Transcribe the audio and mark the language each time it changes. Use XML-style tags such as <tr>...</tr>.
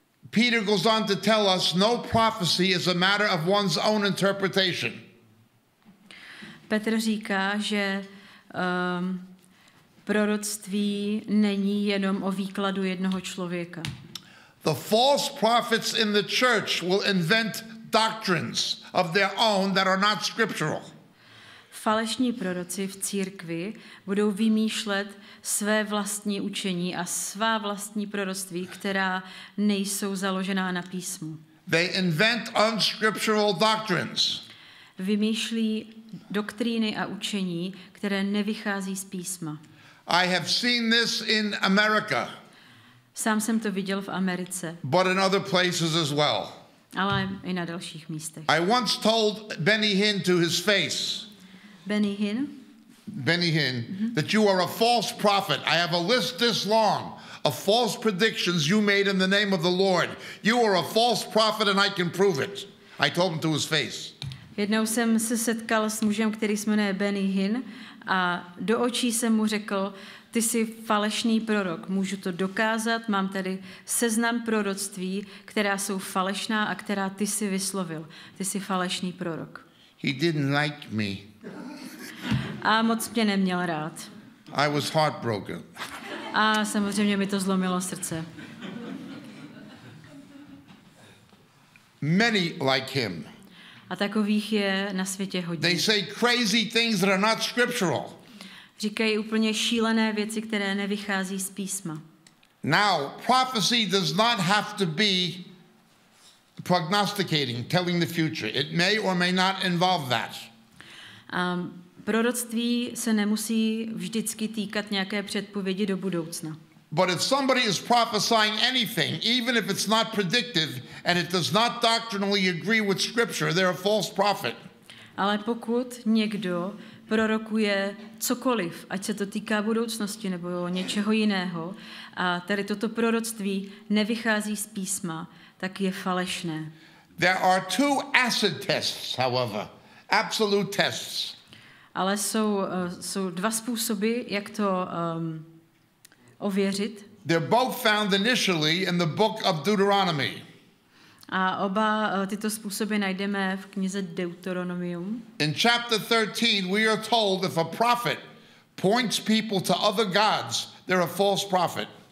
<en>Peter goes on to tell us, no prophecy is a matter of one's own interpretation.</en> <cs>Petr říká, že proroctví není jenom o výkladu jednoho člověka.</cs> <en>The false prophets in the church will invent doctrines of their own that are not scriptural.</en> <cs>Falešní proroci v církvi budou vymýšlet své vlastní učení a svá vlastní proroctví, která nejsou založená na písmu.</cs> <en>They invent unscriptural doctrines.</en> <cs>Vymýšlí doktríny a učení, které nevychází z písma.</cs> <en>I have seen this in America.</en> <cs>Sám jsem to viděl v Americe.</cs> <en>But in other places as well.</en> <cs>Ale i na dalších místech.</cs> <en>I once told Benny Hinn to his face. Benny Hinn? Benny Hinn, that you are a false prophet. I have a list this long of false predictions you made in the name of the Lord. You are a false prophet and I can prove it. I told him to his face.</en> <cs>Jednou jsem se setkal s mužem, který se jmenuje Benny Hinn, a do očí jsem mu řekl, ty jsi falešný prorok, můžu to dokázat, mám tady seznam proroctví, která jsou falešná a která ty jsi vyslovil. Ty jsi falešný prorok.</cs> <en>He didn't like me.</en> <cs>A moc mě neměl rád.</cs> <en>I was heartbroken.</en> <cs>A samozřejmě mi to zlomilo srdce.</cs> <en>Many like him.</en> <cs>A takových je na světě hodně.</cs> <en>They say crazy things that are not scriptural.</en> <cs>Říkají úplně šílené věci, které nevychází z písma.</cs> <en>Now, prophecy does not have to be prognosticating, telling the future. It may or may not involve that.</en> <cs>Proroctví se nemusí vždycky týkat nějaké předpovědi do budoucna.</cs> <en>But if somebody is prophesying anything, even if it's not predictive and it does not doctrinally agree with scripture, they're a false prophet.</en> <cs>Ale pokud někdo prorokuje cokoliv, ať se to týká budoucnosti nebo něčeho jiného, a tady toto proroctví nevychází z písma, tak je falešné.</cs> <en>There are two acid tests, however, absolute tests.</en> <cs>Ale jsou dva způsoby, jak to ověřit.</cs> <en>They're both found initially in the book of Deuteronomy.</en> <cs>A oba tyto způsoby najdeme v knize Deuteronomium.</cs> <en>In chapter 13 we are told if a prophet points people to other gods, they're a false prophet.</en>